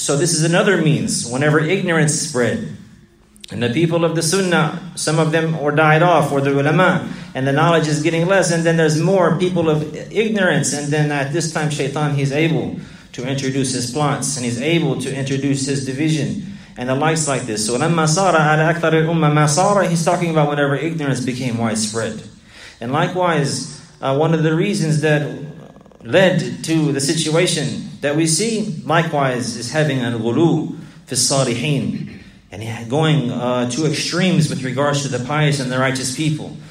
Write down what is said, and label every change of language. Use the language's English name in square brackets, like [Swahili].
[English] So this is another means. Whenever ignorance spread, and the people of the sunnah, some of them were died off, or the ulama, and the knowledge is getting less, and then there's more people of ignorance, and then at this time shaitan, he's able to introduce his plots, and he's able to introduce his division. And the likes like this. So [Arabic] وَلَمَّا صَارَ عَلَى أَكْثَرِ الْأُمَّةِ مَا صَارَ. [English] He's talking about whenever ignorance became widespread. And likewise, one of the reasons that led to the situation that we see, likewise, is having al-ghulu fi الصَّالِحِينَ. And going to extremes with regards to the pious and the righteous people.